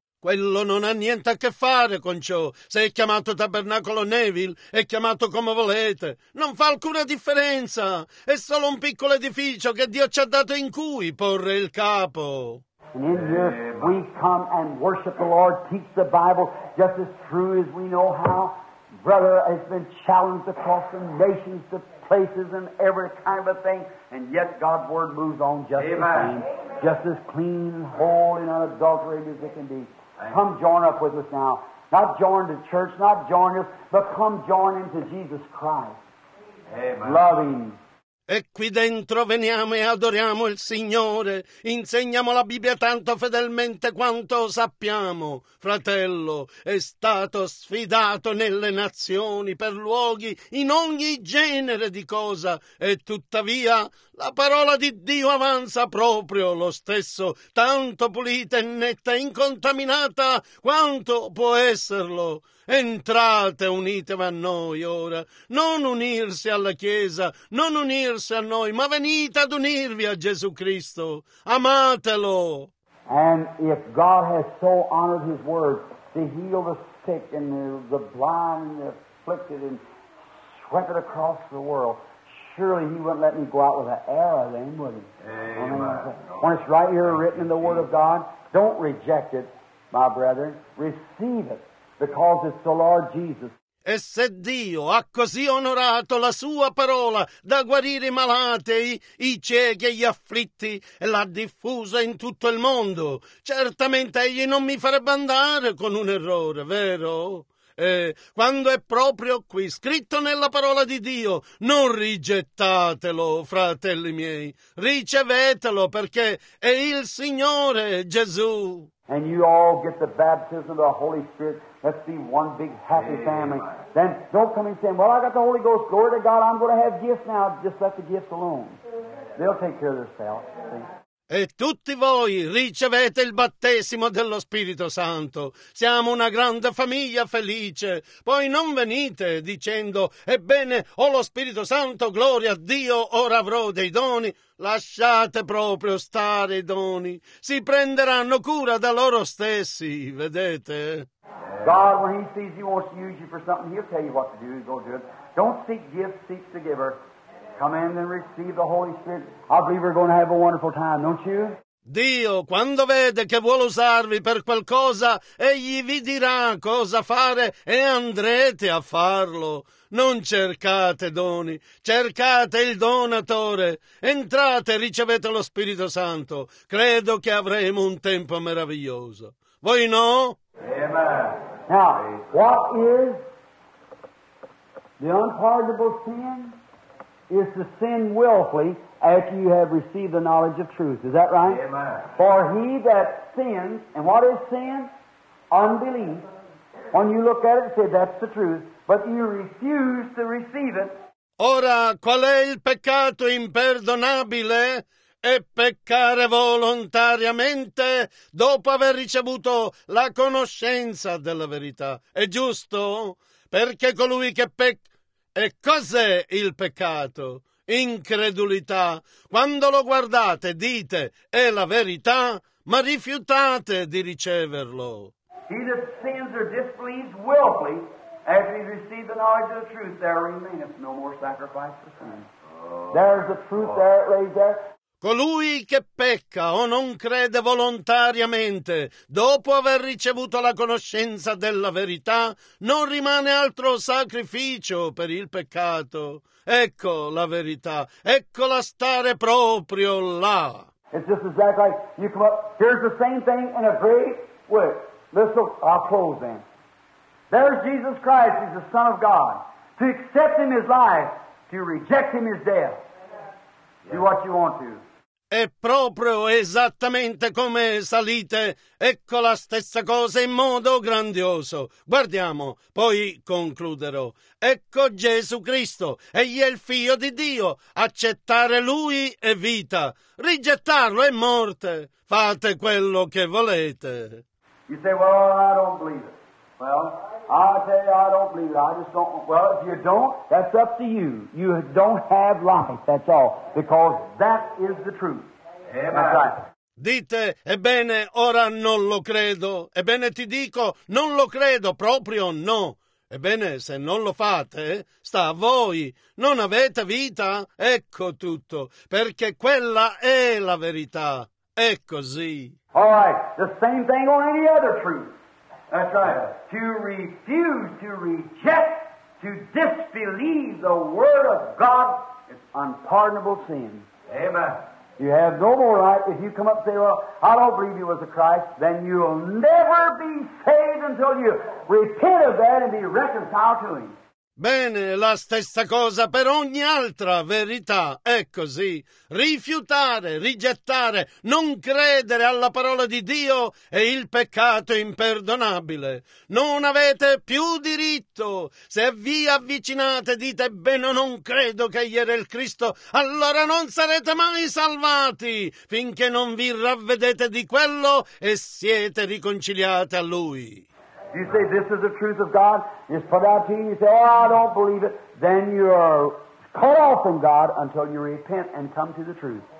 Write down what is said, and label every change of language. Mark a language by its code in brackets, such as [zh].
[it] Quello non ha niente a che fare con ciò. Se è chiamato Tabernacolo Neville, è chiamato come volete. Non fa alcuna differenza. È solo un piccolo edificio che Dio ci ha dato in cui porre il capo. [en] And in here we come and worship the Lord, teach the Bible just as true as we know how. Brother has been challenged across the nations, the places, and every kind of thing, and yet God's word moves on just Amen. The same, Amen. Just as clean, whole, and unadulterated as it can be. Amen. Come join up with us now. Not join the church, not join us, but come join into Jesus Christ. Amen. Loving. [it] E qui dentro veniamo e adoriamo il Signore, insegniamo la Bibbia tanto fedelmente quanto sappiamo. Fratello, è stato sfidato nelle nazioni, per luoghi, in ogni genere di cosa, e tuttavia la parola di Dio avanza proprio lo stesso, tanto pulita e netta e incontaminata quanto può esserlo. Entrate, unitevi a noi ora, non unirsi alla Chiesa, non unirsi a noi, ma venite ad unirvi a Gesù Cristo, amatelo. [en] And if God has so honored his word to heal the sick and the blind and the afflicted and swept it across the world, surely he wouldn't let me go out with an arrow then, would he? Amen. When it's right here written in the word of God, don't reject it, my brethren, receive it. Because it's the Lord Jesus. [it] E se Dio ha così onorato la sua parola da guarire i malati, i ciechi e gli afflitti e l'ha diffusa in tutto il mondo, certamente egli non mi farebbe andare con un errore, vero? E quando è proprio qui, scritto nella parola di Dio, non rigettatelo, fratelli miei, ricevetelo perché è il Signore Gesù. [en] And you all get the baptism of the Holy Spirit. Let's be one big happy family. Amen. Then don't come and say, well, I got the Holy Ghost. Glory to God. I'm going to have gifts now. Just let the gifts alone. They'll take care of themselves. [it] E tutti voi ricevete il battesimo dello Spirito Santo. Siamo una grande famiglia felice. Poi non venite dicendo, ebbene, ho lo Spirito Santo, gloria a Dio, ora avrò dei doni. Lasciate proprio stare i doni. Si prenderanno cura da loro stessi, vedete? [en] God, when he sees he wants to use you for something, he'll tell you what to do. He'll go do it. Don't seek gifts, seek the giver. Come in and receive the Holy Spirit. I believe we're going to have a wonderful time, don't you? [it] Dio, quando vede che vuole usarvi per qualcosa, egli vi dirà cosa fare e andrete a farlo. Non cercate doni, cercate il donatore. Entrate e ricevete lo Spirito Santo. Credo che avremo un tempo meraviglioso. Voi no? Amen. [en] Now, what is the unpardonable sin? Is to sin willfully after you have received the knowledge of truth. Is that right? Amen. For he that sins, and what is sin? Unbelief. When you look at it and say, that's the truth, but you refuse to receive it. [it] Ora, qual è il peccato imperdonabile? E peccare volontariamente dopo aver ricevuto la conoscenza della verità. È giusto? Perché colui che pecca... E cos'è il peccato? Incredulità. Quando lo guardate, dite, è la verità, ma rifiutate di riceverlo. [en] He that sins or disbelieves willfully, after he received the knowledge of the truth, there remaineth no more sacrifice for sin. There's the truth there, it lays there. [it] Colui che pecca o non crede volontariamente, dopo aver ricevuto la conoscenza della verità, non rimane altro sacrificio per il peccato. Ecco la verità, eccola stare proprio là. [en] It's just exactly like you come up, here's the same thing in a great way. Listen, I'll close then. There's Jesus Christ. He's the Son of God. To accept Him is life. To reject Him is death. Yeah. Do what you want to. [it] È proprio esattamente come salite, ecco la stessa cosa in modo grandioso. Guardiamo, poi concluderò. Ecco Gesù Cristo, egli è il Figlio di Dio, accettare Lui è vita, rigettarlo è morte, fate quello che volete. [en] You say, well, I don't believe it. Well, I tell you, I don't believe it. I just don't. Well, if you don't, that's up to you. You don't have life, that's all. Because that is the truth. Amen. That's right. [it] Dite, ebbene, ora non lo credo. Ebbene, ti dico, non lo credo, proprio no. Ebbene, se non lo fate, sta a voi. Non avete vita? Ecco tutto. Perché quella è la verità. È così. [en] All right, the same thing on any other truth. That's right. To refuse, to reject, to disbelieve the Word of God is unpardonable sin. Amen. You have no more right. If you come up and say, well, I don't believe He was a Christ, then you'll never be saved until you repent of that and be reconciled to Him. [it] Bene, la stessa cosa per ogni altra verità, è così. Rifiutare, rigettare, non credere alla parola di Dio è il peccato imperdonabile. Non avete più diritto. Se vi avvicinate e dite, bene, non credo che egli era il Cristo, allora non sarete mai salvati finché non vi ravvedete di quello e siete riconciliati a Lui. [en] You say, this is the truth of God, it's put out to you, you say, oh, I don't believe it, then you are cut off from God until you repent and come to the truth.